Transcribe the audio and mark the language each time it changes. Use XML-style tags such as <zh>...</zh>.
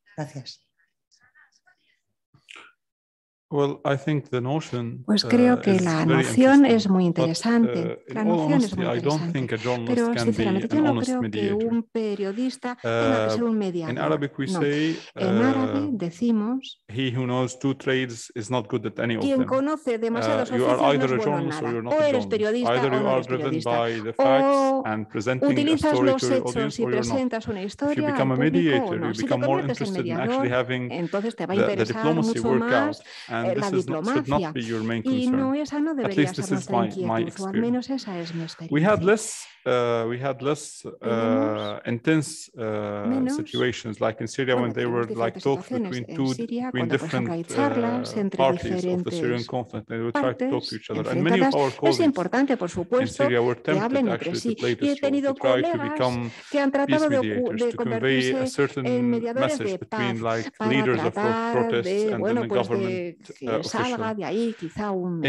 <es>Gracias.</es> <en>Well, I think the notion,</en> <es>pues creo que la noción es muy interesante. La noción es muy interesante. Pero, sinceramente, yo no creo que un periodista tenga que ser un mediador.</es> <en>In Arabic we say,</en> <es>en árabe decimos</es> <en>he who knows two trades is not good at any of them.</en> <es>Quien conoce demasiados oficios no es bueno en nada. O eres periodista o no eres periodista. O utilizas los hechos y presentas una historia al público o no. Si te conviertes en mediador, entonces te va a interesar mucho más la diplomacia, y no, esa no debería ser nuestra inquietud, o al menos esa es mi experiencia.</es> <en>We had less intense situations, like in Syria, when there were like talks between different parties of the Syrian conflict, and they would try to talk to each other. And many of our colleagues in Syria were tempted actually to play this role, to try to become peace mediators, to convey a certain message between like leaders of protests and then the government official.</en>